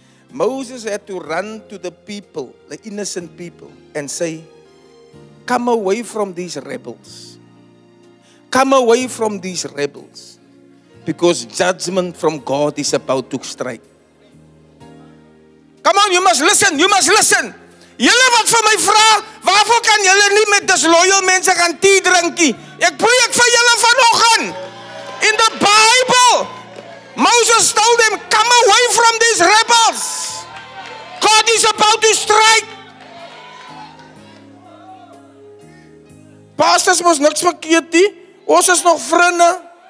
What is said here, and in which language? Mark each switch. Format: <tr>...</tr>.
<en>Moses had to run to the people, the innocent people, and say, come away from these rebels. Come away from these rebels. Because judgment from God is about to strike. Come on, you must listen, you must listen.</en> <af>Julle wat vir my vra, waarvoor kan julle nie met disloyal mense gaan tea drinkie? Ek preek vir julle vanoggend.</af> <en>In the Bible, Moses told them, come away from these rebels. God is about to strike.</en> <af>Pastors was niks verkeerd nie. Ons is nog vriende.</af>